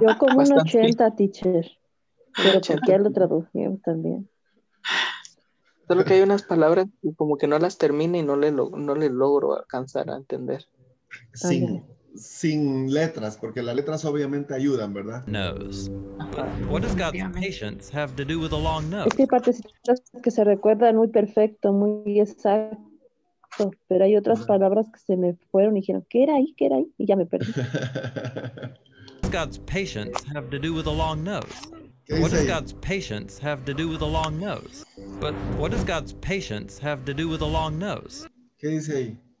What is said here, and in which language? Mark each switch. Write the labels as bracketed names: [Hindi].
[Spanish] Yo como bastante. Un 80, teacher. Pero porque ya lo tradujimos también. Solo que hay unas palabras y como que no las termine y no le logro alcanzar a entender. Sí. Okay. Sin letras, porque las letras obviamente ayudan, ¿verdad? [English] Nose. What does God's patience have to do with a long nose? [Spanish] Es que partecitas que se recuerdan muy perfecto, muy exacto, pero hay otras palabras que se me fueron y dijeron, ¿qué era ahí? ¿Qué era ahí? Y ya me perdí. [English] What does God's patience have to do with a long nose? What does God's patience have to do with a long nose? But what does God's patience have to do with a long nose? [Spanish] ¿Qué dice ahí?